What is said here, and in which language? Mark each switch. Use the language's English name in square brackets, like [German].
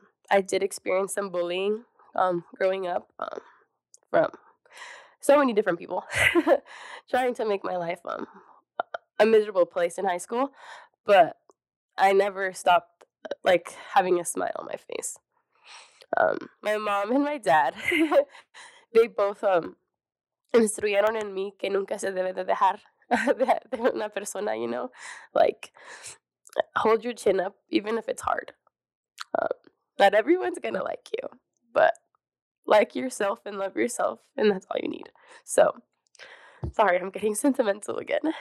[English] I did experience some bullying growing up from so many different people trying to make my life a miserable place in high school, but I never stopped like having a smile on my face. [Spanish] My mom and my dad, they both instruyeron en mí que nunca se debe de dejar [English] de una persona, you know, like, hold your chin up, even if it's hard. Not everyone's going to like you, but like yourself and love yourself, and that's all you need. So, sorry, I'm getting sentimental again.